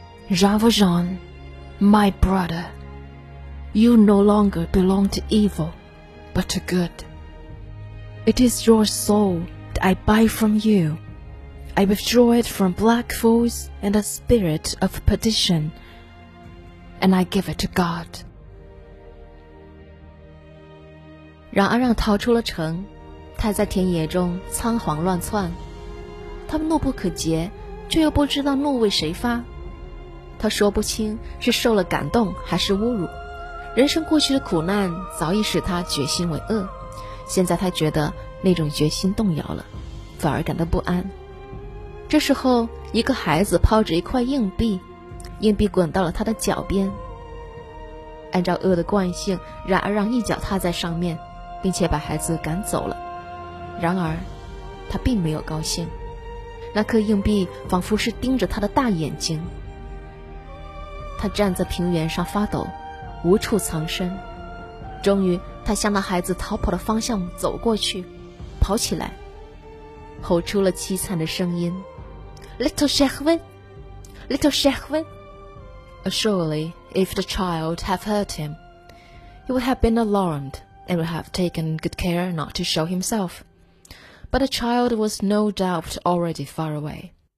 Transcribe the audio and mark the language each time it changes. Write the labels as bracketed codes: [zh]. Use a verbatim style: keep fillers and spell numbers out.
[en] "Jean Valjean, my brother, you no longer belong to evil, but to good. It is your soul that I buy from you. I withdraw it from black fools and the spirit of perdition, and I give it to God." [zh] 冉阿让逃出了城，他在田野中仓皇乱窜，他们怒不可遏，却又不知道怒为谁发。他说不清是受了感动还是侮辱。人生过去的苦难早已使他决心为恶，现在他觉得那种决心动摇了，反而感到不安。这时候，一个孩子抛着一块硬币，硬币滚到了他的脚边。按照恶的惯性，冉阿让一脚踏在上面，并且把孩子赶走了。然而，他并没有高兴。那颗硬币仿佛是盯着他的大眼睛。他站在平原上发抖，无处藏身。终于，他向那孩子逃跑的方向走过去，跑起来，吼出了凄惨的声音 ，"Little Shekvin, Little Shekvin!" [en] Surely, if the child had heard him, he would have been alarmed and would have taken good care not to show himself. But the child was no doubt already far away.